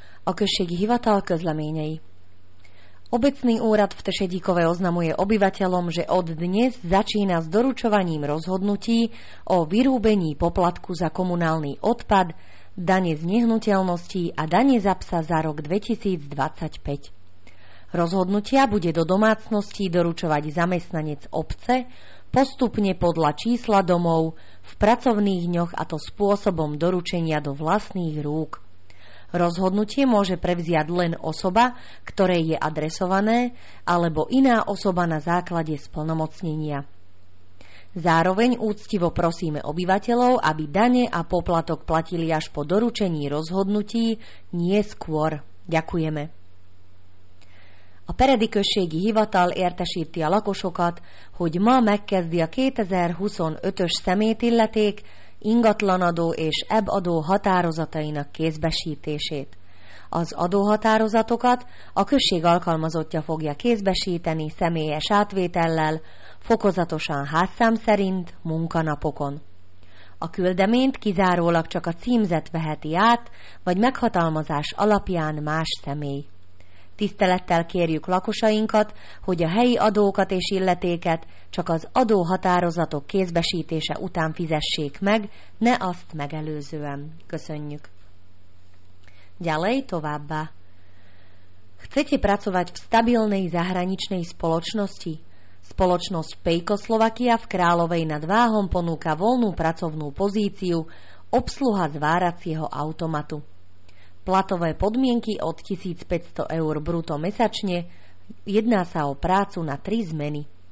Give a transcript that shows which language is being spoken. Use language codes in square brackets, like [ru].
[hu] A községi hivatal közleményei. [sk] Obecný úrad v Tešedíkove oznamuje obyvateľom, že od dnes začína s doručovaním rozhodnutí o vyrúbení poplatku za komunálny odpad, dane z nehnuteľností a dane za psa za rok 2025. Rozhodnutia bude do domácností doručovať zamestnanec obce postupne podľa čísla domov v pracovných dňoch, a to spôsobom doručenia do vlastných rúk. Rozhodnutie môže prevziať len osoba, ktorej je adresované, alebo iná osoba na základe splnomocnenia. Zároveň úctivo prosíme obyvateľov, aby dane a poplatok platili až po doručení rozhodnutí, nie skôr. Ďakujeme. [hu] A peredi községi hivatal értesíti a lakosokat, hogy ma megkezdi a 2025-ös szemétilleték ingatlanadó és ebadó határozatainak kézbesítését. Az adóhatározatokat a község alkalmazottja fogja kézbesíteni személyes átvétellel, fokozatosan házszám szerint, munkanapokon. A küldeményt kizárólag csak a címzet veheti át, vagy meghatalmazás alapján más személy. Tisztelettel kérjük lakosainkat, hogy a helyi adókat és illetéket csak az adóhatározatok kézbesítése után fizessék meg, ne azt megelőzően. Köszönjük. [sk] Ďalej [hu] továbbá. [sk] Chcete pracovať v stabilnej zahraničnej spoločnosti? Spoločnosť Pejko Slovakia v Královej nad Váhom ponúka voľnú pracovnú pozíciu obsluha zváracieho automatu. Platové podmienky od 1500 eur bruto mesačne, jedná sa o prácu na 3 zmeny.